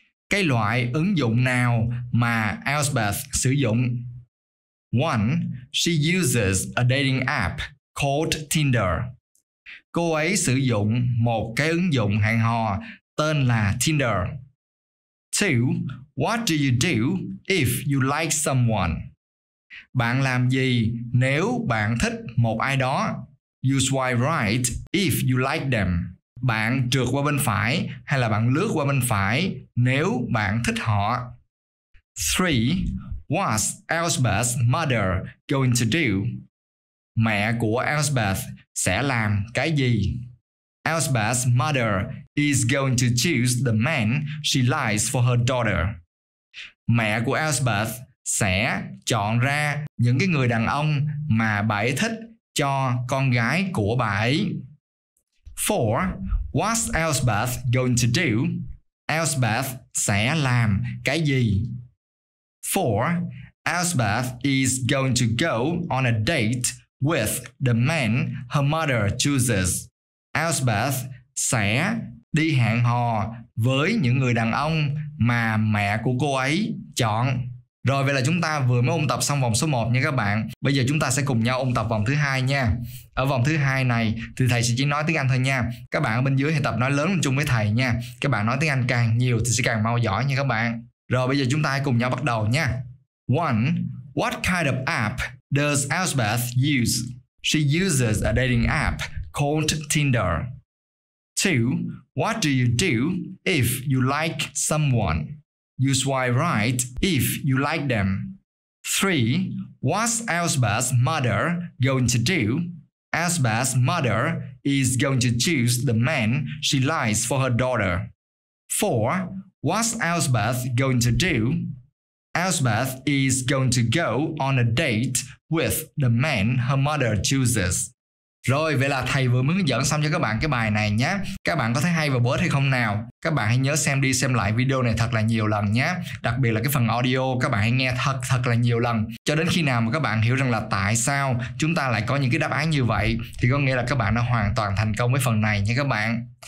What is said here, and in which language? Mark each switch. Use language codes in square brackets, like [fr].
[vi] Cái loại ứng dụng nào mà Elspeth sử dụng? 1. [en] She uses a dating app called Tinder. [vi] Cô ấy sử dụng một cái ứng dụng hẹn hò tên là Tinder. 2. [en] What do you do if you like someone? [vi] Bạn làm gì nếu bạn thích một ai đó? You swipe right if you like them. Bạn trượt qua bên phải hay là bạn lướt qua bên phải nếu bạn thích họ? 3. [en] What's Elspeth's mother going to do? Mẹ của Elspeth sẽ làm cái gì? Elspeth's mother is going to choose the man she likes for her daughter. [vi] Mẹ của Elspeth sẽ chọn ra những cái người đàn ông mà bà ấy thích cho con gái của bà ấy. [en] 4. What's Elspeth going to do? Elspeth sẽ làm cái gì? 4. Elspeth is going to go on a date with the man her mother chooses. [vi] Elspeth sẽ đi hẹn hò với những người đàn ông mà mẹ của cô ấy chọn. Rồi, vậy là chúng ta vừa mới ôn tập xong vòng số 1 nha các bạn. Bây giờ chúng ta sẽ cùng nhau ôn tập vòng thứ 2 nha. Ở vòng thứ 2 này thì thầy sẽ chỉ nói tiếng Anh thôi nha. Các bạn ở bên dưới thì tập nói lớn chung với thầy nha. Các bạn nói tiếng Anh càng nhiều thì sẽ càng mau giỏi nha các bạn. Rồi, bây giờ chúng ta hãy cùng nhau bắt đầu nha. [en] 1. What kind of app does Elspeth use? She uses a dating app called Tinder. 2. What do you do if you like someone? You swipe right if you like them. 3. What's Elspeth's mother going to do? Elspeth's mother is going to choose the man she likes for her daughter. 4. What's Elspeth going to do? Elspeth is going to go on a date with the man her mother chooses. [vi] Rồi, vậy là thầy vừa mới hướng dẫn xong cho các bạn cái bài này nhé. Các bạn có thấy hay và bớt hay không nào? Các bạn hãy nhớ xem đi xem lại video này thật là nhiều lần nhé. Đặc biệt là cái phần audio, các bạn hãy nghe thật là nhiều lần. Cho đến khi nào mà các bạn hiểu rằng là tại sao chúng ta lại có những cái đáp án như vậy, thì có nghĩa là các bạn đã hoàn toàn thành công với phần này nha các bạn.